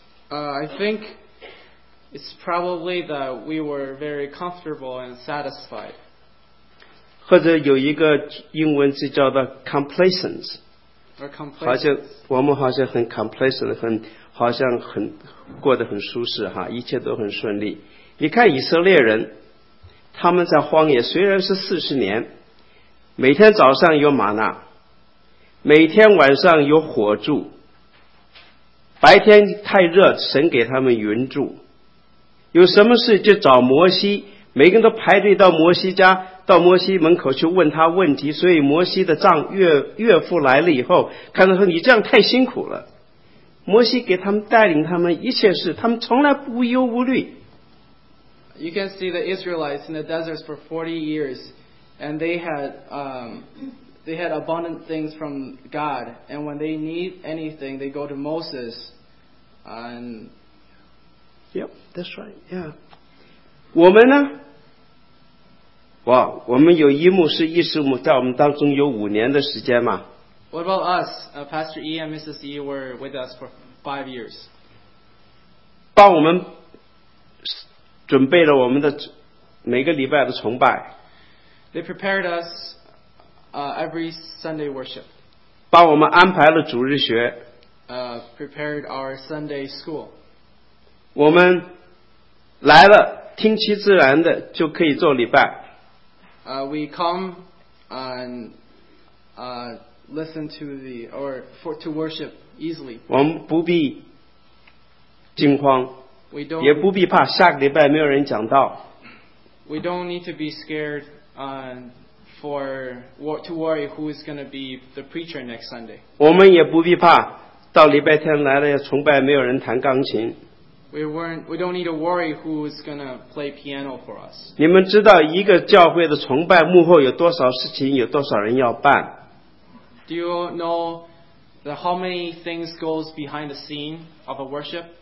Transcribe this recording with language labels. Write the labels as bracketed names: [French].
[English] I think it's probably that we were very comfortable and satisfied. [Chinese] 或者有一个英文字叫做 complacence. [English] Or complacence. [Chinese] 好像我们好像很 complacent, 很好像很过得很舒适哈，一切都很顺利。你看以色列人，他们在荒野虽然是四十年，每天早上有玛纳，每天晚上有火柱，白天太热，神给他们云柱。有什么事就找摩西，每个人都排队到摩西家，到摩西门口去问他问题。所以摩西的丈岳父来了以后，看到说你这样太辛苦了。摩西给他们带领他们一切事，他们从来不无忧无虑。 [English] You can see the Israelites in the deserts for 40 years, and they had abundant things from God. And when they need anything, they go to Moses, and Yep, that's right. Yeah. [Chinese] 我们呢？哇，我们有一牧师、一师母在我们当中有五年的时间嘛。 [English] What about us? Pastor E and Mrs. E were with us for 5 years. [Chinese] 帮我们准备了我们的每个礼拜的崇拜。 [English] They prepared us, every Sunday worship. [Chinese] 帮我们安排了主日学。 [English] Prepared our Sunday school. [Chinese] 我们来了，听其自然的就可以做礼拜。 [English] We come and listen to the or for to worship easily. [Chinese] 我们不必惊慌, [English] we don't, [Chinese] 也不必怕下个礼拜没有人讲道, [English] we don't need to be scared for to worry who is going to be the preacher next Sunday. [Chinese] 我们也不必怕到礼拜天来了崇拜没有人弹钢琴。 [English] We don't need to worry who's going to play piano for us. [Chinese] 你们知道一个教会的崇拜幕后有多少事情有多少人要办? [English] Do you know that how many things goes behind the scene of a worship?